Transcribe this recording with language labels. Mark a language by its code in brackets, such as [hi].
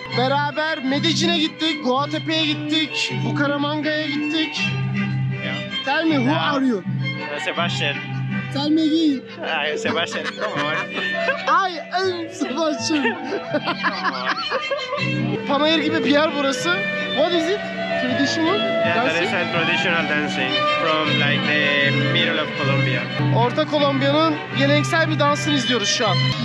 [tr] Beraber Medellin'e gittik, Guatepe'ye gittik, Bucaramanga'ya gittik. [en] Tell me, who are you? Sebastian. Tell me again. Ay, Sebastian, come on. I am Sebastian. [tr] Panayır gibi bir yer burası. [en] What is it? Traditional? Yeah, that is a traditional dancing from like the middle of Colombia. [tr] Orta Kolombiya'nın geleneksel bir dansını izliyoruz şu an.